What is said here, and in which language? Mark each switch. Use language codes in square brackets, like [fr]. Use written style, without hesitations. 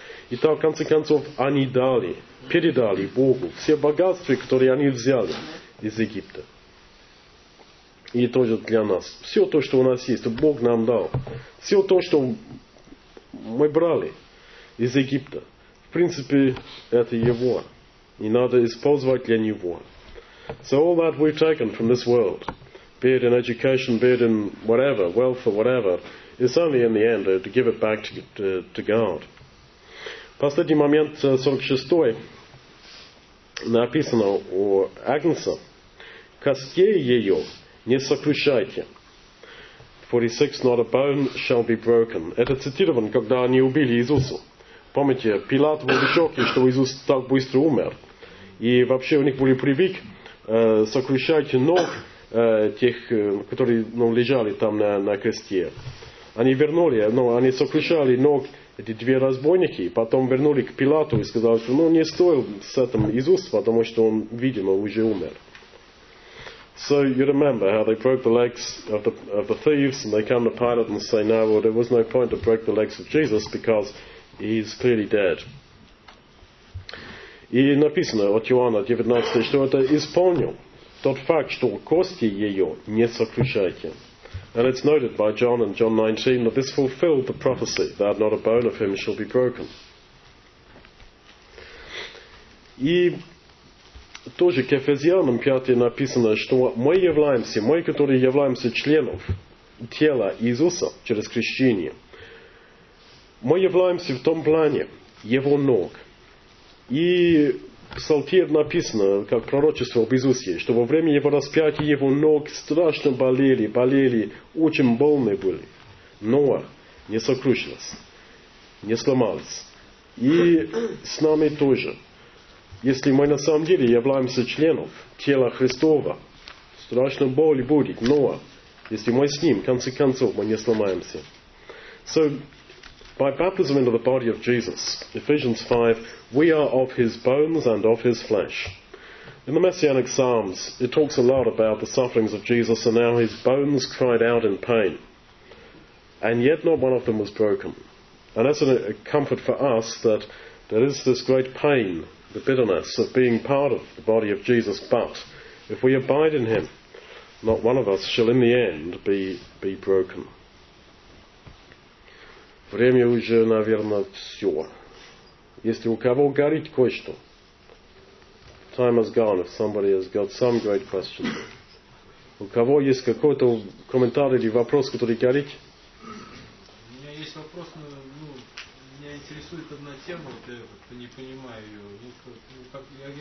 [ru] Итак, в конце концов, они дали, передали Богу все богатства, которые они взяли из Египта. И тоже для нас. Все то, что у нас есть, Бог нам дал. Все то, что мы брали из Египта. В принципе, это его. И надо использовать для него. [en] So all that we've taken from this world, be it in education, be it in whatever, wealth or whatever, is only in the end to give it back to God. [ru] Последний момент, 46-й, написано у Агнца. Костей ее не сокрушайте. 46, [en] not a bone shall be broken. [ru] Это цитировано, когда они убили Иисуса. Помните, Пилат был в шоке, что Иисус так быстро умер. И вообще у них были привык сокрушать ног тех, которые лежали там на кресте. Они вернули, они сокрушали ног эти две разбойники, потом вернули к Пилату и сказали, что не стоил с этим Иисус, потому что он, видимо, уже умер. [en] So you remember how they broke the legs of the thieves, and they come to Pilate and say, no, well, there was no point to break the legs of Jesus because he's clearly dead. [ru] И написано от Иоанна 19, что это исполнил тот факт, что кости ее не сокрушайте. [en] And it's noted by John in John 19 that this fulfilled the prophecy that not a bone of him shall be broken. [ru] И тоже к Ефезянам 5 написано, что мы являемся, мы, которые являемся членов тела Иисуса через крещение, мы являемся в том плане его ног. И в Псалтире написано, как пророчество об Иисусе, что во время его распятия его ноги страшно болели, болели, очень больны были. Но не сокрушилось, не сломалось. И с нами тоже. Если мы на самом деле являемся членом тела Христова, страшно боль будет, но если мы с ним, в конце концов, мы не сломаемся. [en] So, by baptism into the body of Jesus, Ephesians 5, we are of his bones and of his flesh. In the Messianic Psalms, it talks a lot about the sufferings of Jesus and how his bones cried out in pain. And yet not one of them was broken. And that's a comfort for us that there is this great pain, the bitterness of being part of the body of Jesus, but if we abide in him, not one of us shall in the end be broken. [ru] Время уже, наверное, все. Если у кого горит кое-что. [en] Time has gone. If somebody has got some great question. [ru] У кого есть какой-то комментарий или вопрос, который горит? У меня есть вопрос, но меня интересует одна тема, вот я как-то не понимаю ее.